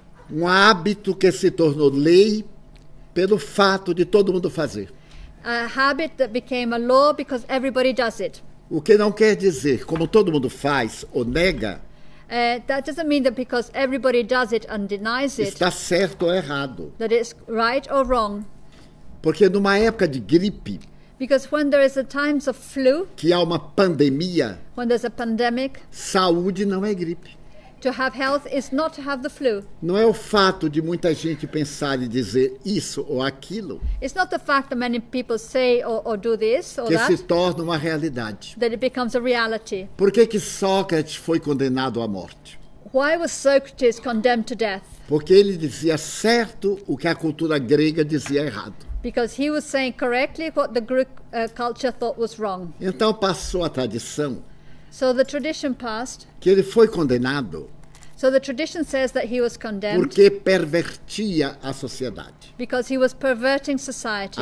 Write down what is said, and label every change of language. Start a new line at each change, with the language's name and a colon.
Portuguese: Um hábito que se tornou lei pelo fato de todo mundo fazer.
English: A habit that became a law because everybody does it.
Portuguese: O que não quer dizer, como todo mundo faz ou nega.
English: That doesn't mean that because everybody does it and denies it.
Portuguese: Está certo ou errado.
English: That it's right or wrong.
Portuguese: Porque numa época de gripe.
English: Because when there is a times of flu.
Portuguese: Que há uma pandemia.
English: When there's a pandemic.
Portuguese: Saúde não é gripe.
English: To have health is not to have the flu.
Portuguese: Não é o fato de muita gente pensar e dizer isso ou aquilo.
English: It's not the fact that many people say or do this or
Portuguese: que
English: that.
Portuguese: Que se torna uma realidade.
English: That it becomes a reality.
Portuguese: Por que Sócrates foi condenado à morte?
English: Why was Socrates condemned to death?
Portuguese: Porque ele dizia certo o que a cultura grega dizia errado.
English: Because he was saying correctly what the Greek culture thought was wrong.
Portuguese: Então passou a tradição.
English: So the tradition passed.
Portuguese: Que ele foi condenado.
English: So the tradition says that he was condemned.
Portuguese: Porque pervertia a sociedade.
English: Because he was perverting society.